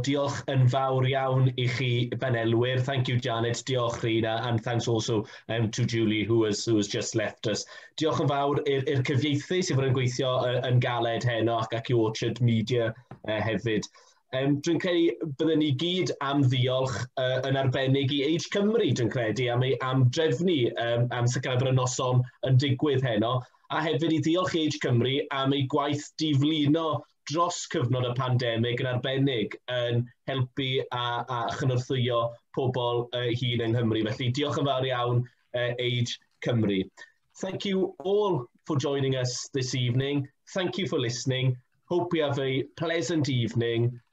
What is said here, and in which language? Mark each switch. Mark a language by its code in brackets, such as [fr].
[cy] Diolch yn fawr iawn I chi, Benelwyr. [en] Thank you, Janet. [cy] Diolch, Rhun. [en] And thanks also to Julie, who has just left us. [cy] Diolch yn fawr i'r cyfieithu sydd wedi'n gweithio yn galed heno ac i Orchard Media hefyd. Dwi'n credu byddwn ni gyd am ddiolch yn arbennig i Age Cymru, dwi'n credu, am drefnu am sicrhau y noson yn digwydd heno, a hefyd i ddiolch i Age Cymru am ei gwaith diflino dros cyfnod y pandemig yn arbennig yn helpu a chynorthwyo pobl hun yng Nghymru. Felly, diolch yn fawr iawn, Age Cymru. [en] Thank you all for joining us this evening. Thank you for listening. Hope you have a pleasant evening.